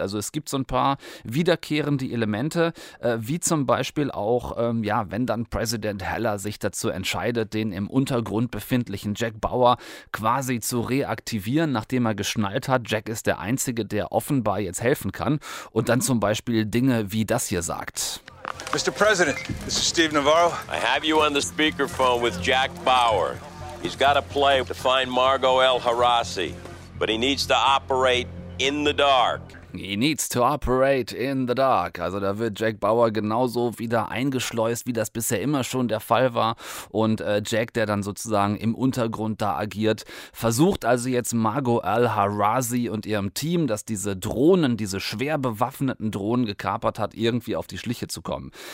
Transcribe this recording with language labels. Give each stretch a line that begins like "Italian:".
German: Also es gibt so ein paar wiederkehrende Elemente, wie zum Beispiel auch, ja, wenn dann Präsident Heller sich dazu entscheidet, den im Untergrund befindlichen Jack Bauer quasi zu reaktivieren, nachdem er geschnallt hat, Jack ist der Einzige, der offenbar jetzt helfen kann, und dann zum Beispiel Dinge wie das hier sagt.
English: Mr. President, this is Steve Navarro. I have you on the speakerphone with Jack Bauer. He's got a play to find Margot Al-Harazi, but he needs to operate in the dark. He needs to operate in the dark.
German: Also da wird Jack Bauer genauso wieder eingeschleust, wie das bisher immer schon der Fall war. Und Jack, der dann sozusagen im Untergrund da agiert, versucht also jetzt Margot Al-Harazi und ihrem Team, dass diese Drohnen, diese schwer bewaffneten Drohnen gekapert hat, irgendwie auf die Schliche zu kommen.